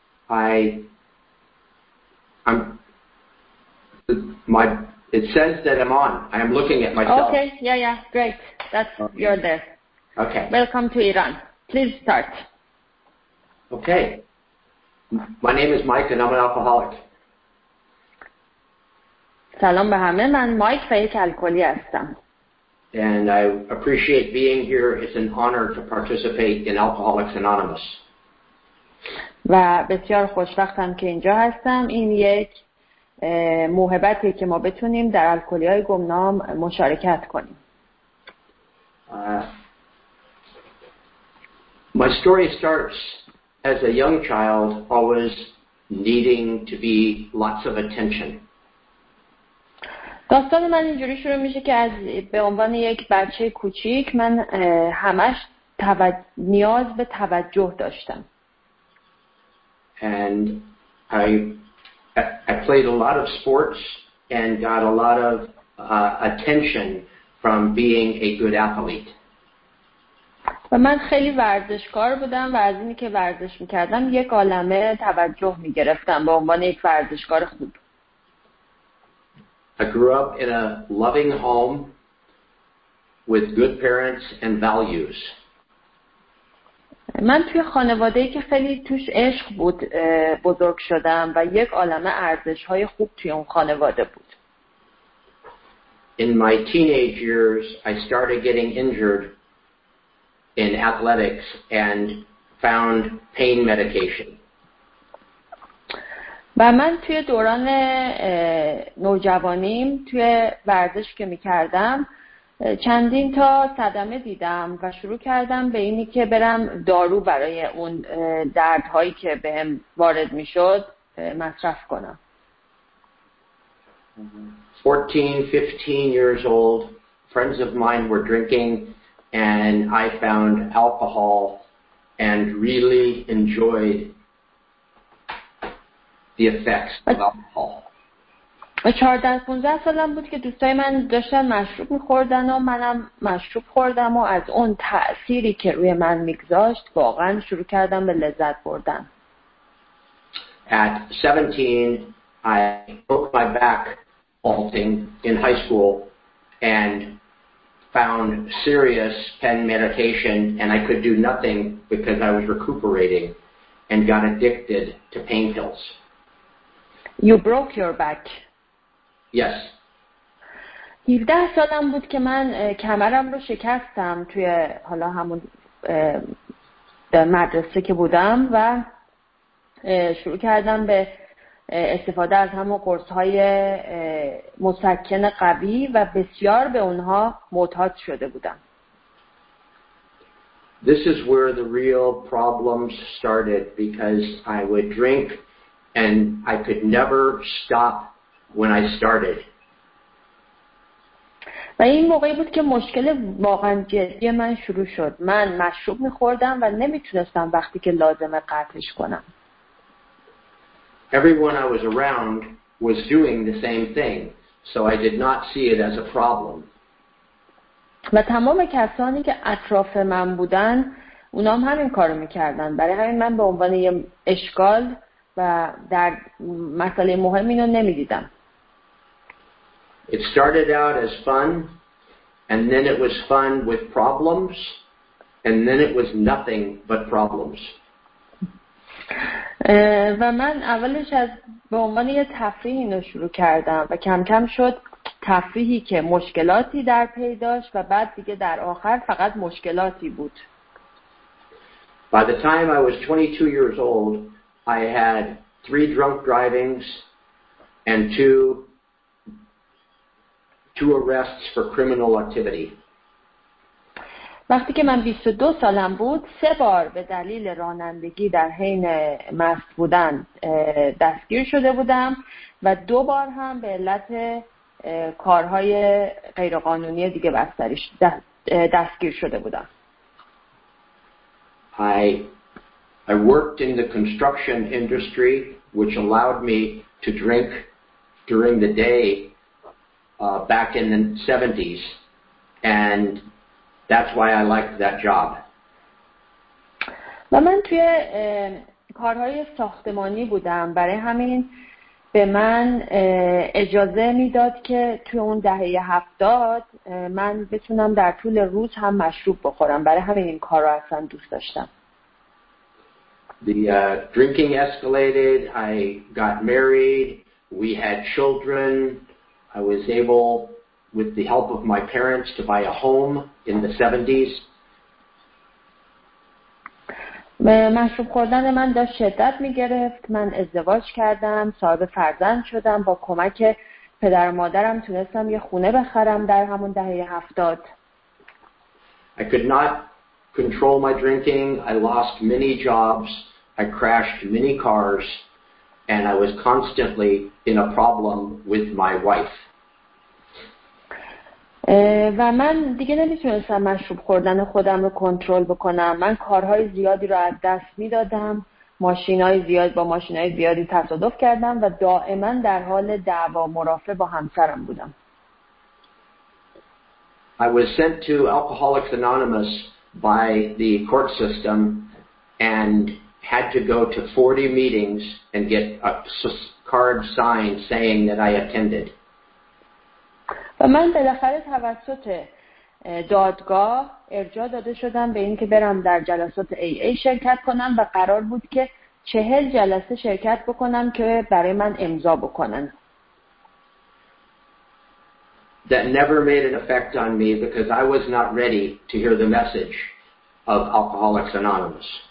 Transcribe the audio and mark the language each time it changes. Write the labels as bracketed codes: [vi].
[en] It says that I'm on. I am looking at myself. Okay, yeah, great. That's okay. You're there. Okay. Welcome to Iran. Please start. Okay. My name is Mike and I'm an alcoholic. [fa] سلام به همه، من مایک و یک الکلی هستم. [en] And I appreciate being here. It's an honor to participate in Alcoholics Anonymous. [fa] و بسیار خوشبختم که اینجا هستم. این یک موهبتی که ما بتونیم در الکلی‌های گمنام مشارکت کنیم. [en] My story starts as a young child, always needing to be lots of attention. [fa] داستان من اینجوری شروع میشه که از به عنوان یک بچه کوچیک من همش نیاز به توجه داشتم. [en] And I played a lot of sports and got a lot of attention from being a good athlete. [fa] و من خیلی ورزشکار بودم و از اینی که ورزش میکردم یک عالمه توجه میگرفتم به عنوان یک ورزشکار خوب. [en] I grew up in a loving home with good parents and values. [fa] من توی خانواده‌ای که خیلی توش عشق بود بزرگ شدم و یک عالمه ارزش‌های خوب توی اون خانواده بود. [en] In my teenage years, I started getting injured in athletics and found pain medication. [fa] و من توی دوران نوجوانیم توی ورزش که می‌کردم چندین تا صدمه دیدم و شروع کردم به اینی که برم دارو برای اون دردهایی که بهم وارد می‌شد مصرف کنم. [en] 14, 15 years old, friends of mine were drinking and I found alcohol and really enjoyed the effects of alcohol. [fa] و 14-15 سالم بود که دوستای من داشتن مشروب می‌خوردن و منم مشروب خوردم و از اون تأثیری که روی من می‌گذاشت واقعا شروع کردم به لذت بردن. [en] At 17 I broke my back vaulting in high school and found serious pain medication and I could do nothing because I was recuperating and got addicted to pain pills. You broke your back. Yes. [fa] 17 سالم بود که من کمرم رو شکستم توی حالا همون مدرسه که بودم و شروع کردم به استفاده از همون قرص‌های مسکن قوی و بسیار به اونها معتاد شده بودم. [en] This is where the real problems started, because I would drink and I could never stop when I started. [fa] و این موقعی بود که مشکل واقعا جدی من شروع شد. من مشروب می‌خوردم و نمی‌تونستم وقتی که لازمه قطعش کنم. [en] Everyone I was around was doing the same thing, so I did not see it as a problem. [fa] و تمام کسانی که اطراف من بودن، اونا هم همین کارو می‌کردن. برای همین من به عنوان یه اشکال و در مسئله مهم اینو نمی‌دیدم. [en] It started out as fun, and then it was fun with problems, and then it was nothing but problems. [fa] و من اولش از به عنوان یه تفریح اینو شروع کردم و کم کم شد تفریحی که مشکلاتی در پی داشت و بعد دیگه در آخر فقط مشکلاتی بود. [en] By the time I was 22 years old, I had 3 drunk drivings and 2 arrests for criminal activity. [fa] وقتی که من 22 سالم بود، 3 بار به دلیل رانندگی در حین مست بودن دستگیر شده بودم و 2 بار هم به علت کارهای غیرقانونی دیگه بستری دستگیر شده بودم. [en] I worked in the construction industry, which allowed me to drink during the day. Back in the 70s, and that's why I liked that job. [fa] و من توی کارهای ساختمانی بودم، برای همین به من اجازه میداد که توی اون دهه 70 من بتونم در طول روز هم مشروب بخورم، برای همین این کار رو اصلا دوست داشتم. [en] The drinking escalated, I got married, we had children. I was able, with the help of my parents, to buy a home in the 70s. [fa] مشروب خوردن من داشت شدت می‌گرفت. من ازدواج کردم، صاحب فرزند شدم. با کمک پدر و مادرم تونستم یه خونه بخرم در همون دهه 70. [en] I could not control my drinking. I lost many jobs. I crashed many cars. And I was constantly in a problem with my wife. [fa] و من دیگه نمیتونستم مشروب خوردن خودم رو کنترل بکنم. من کارهای زیادی رو از دست میدادم. ماشین‌های زیادی تصادف کردم و دائما در حال دعوا مرافع با همسرم بودم. [en] I was sent to Alcoholics Anonymous by the court system and had to go to 40 meetings and get a card signed saying that I attended. [fa] و من بالاخره توسط دادگاه ارجاع داده شدم به اینکه برم در جلسات AA شرکت کنم و قرار بود که 40 جلسه شرکت بکنم که برای من امضا بکنن. [en] That never made an effect on me because I was not ready to hear the message of Alcoholics Anonymous.